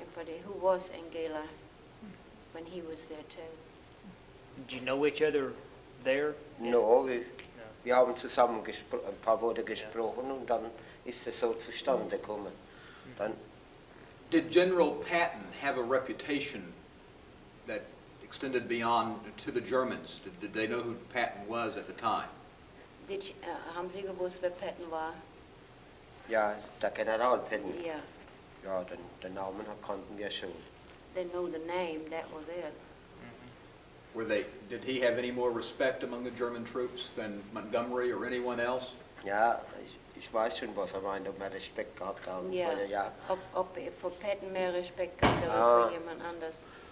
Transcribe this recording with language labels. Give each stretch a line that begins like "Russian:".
English: Infanterie, who was in Kehler when he was there too. Did you know each other there?
German: Wir haben zusammen ein paar Worte gesprochen und dann ist es so zustande gekommen. Dann
English: did General Patton have a reputation that extended beyond to the Germans? Did they know who Patton was at the time?
German: Haben Sie gewusst, wer Patton war? Ja, der General Patton. Ja. Ja, den Namen kannten wir schon.
English: They know the name, that was it. Did he have any more respect among the German troops than Montgomery or anyone else?
German: Ja, ich weiß schon, was meint, ob Respekt gehabt haben. Ja, ob für Patton mehr Respekt gehabt oder für jemand anders.